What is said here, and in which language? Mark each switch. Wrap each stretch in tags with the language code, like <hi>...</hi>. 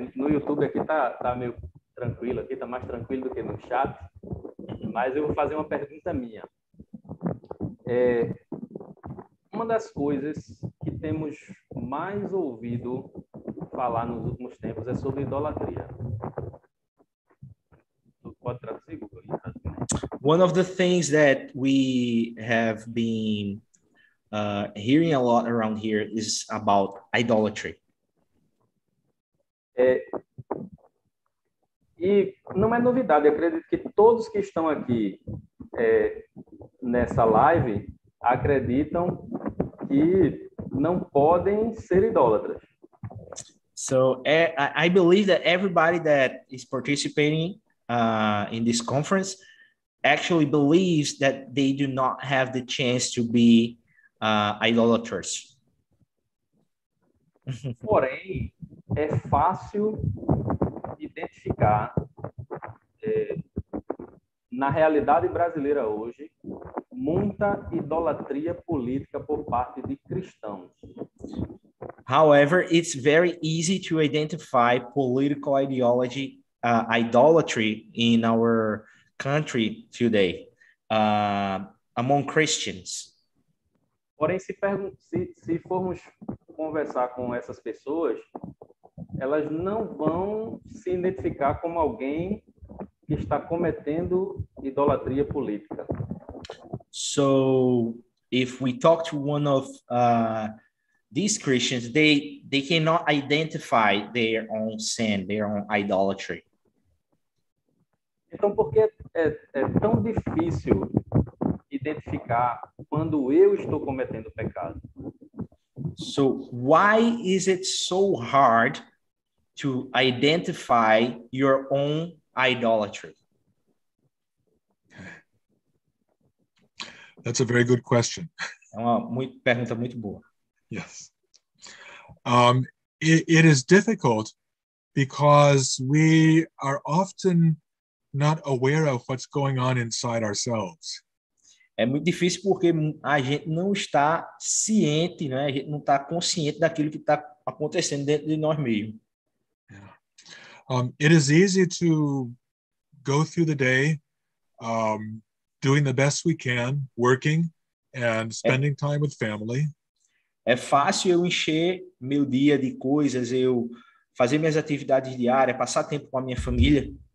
<pt>No YouTube aqui tá meio tranquilo, aqui está mais tranquilo do que no chat, mas eu vou fazer uma pergunta minha. Uma das coisas que temos mais ouvido falar nos últimos tempos é sobre idolatria. Pode traduzir, Google?</pt> <en>One of the things that we have been hearing a lot around here is about idolatry.</en> <pt>E não é novidade, eu acredito que todos que estão aqui nessa live acreditam que não podem ser idólatras.</pt> <en>So, I believe that everybody that is participating in this conference actually believes that they do not have the chance to be idolaters.</en> <pt>Porém, é fácil identificar na realidade brasileira hoje muita idolatria política por parte de cristãos.</pt> <en>However, it's very easy to identify political ideology idolatry in our country today among Christians.</en> <pt>Porém, se formos conversar com essas pessoas, elas não vão se identificar como alguém que está cometendo idolatria política.</pt> <en>So, if we talk to one of these Christians, they cannot identify their own sin, their own idolatry.</en> <pt>Então, por que é tão difícil identificar quando eu estou cometendo pecado?</pt> <en>So, why is it so hard to identify your own idolatry? That's a very good question.</en> <pt>É uma pergunta muito boa.</pt> <en>Yes. It is difficult because we are often not aware of what's going on inside ourselves.</en> <pt>É muito difícil porque a gente não está ciente, né? A gente não está consciente daquilo que está acontecendo dentro de nós mesmos.</pt> <en>It is easy to go through the day doing the best we can, working and spending time with family.</en> <pt>É fácil eu encher meu dia de coisas, eu fazer minhas atividades diárias, passar tempo com a minha família.</pt>